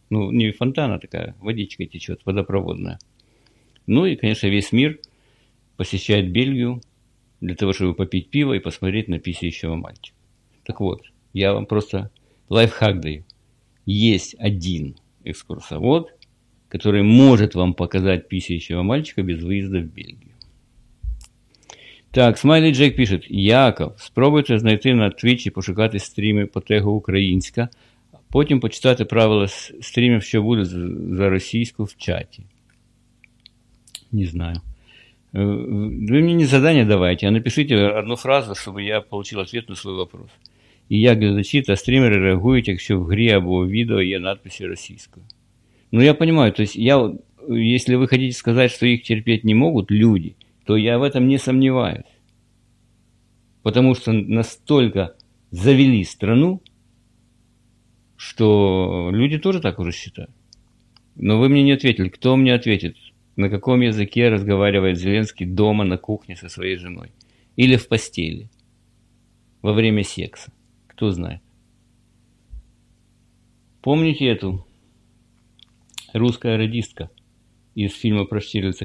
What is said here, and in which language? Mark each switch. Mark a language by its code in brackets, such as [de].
[ru] Ну, не фонтан, а такая водичка течет, водопроводная. Ну и, конечно, весь мир посещает Бельгию для того, чтобы попить пиво и посмотреть на писающего мальчика. Так вот, я вам просто лайфхак даю. Есть один экскурсовод, который может вам показать писающего мальчика без выезда в Бельгию. Так, Смайли Джек пишет. [uk] Яков, спробуйте знайти на Твичі, пошукати стріми по тегу українська, а потім почитати правила стрімів, що буде за російську в чаті. Не знаю. Ви мені не задання давайте, а напишіть одну фразу, щоб я отримав відповідь на свій вопрос. І як глядачі та стрімери реагують, якщо в грі або в відео є надписи російською? Ну, я розумію, якщо ви хочете сказати, що їх терпіти не можуть люди, то я в цьому не сумніваюся. Тому що настільки завели країну, що люди теж так вже вважають. Але ви мені не відповіли. Хто мені відповість? [ru] На каком языке разговаривает Зеленский дома на кухне со своей женой? Или в постели? Во время секса? Кто знает? Помните эту русская радистка из фильма про Штирлица?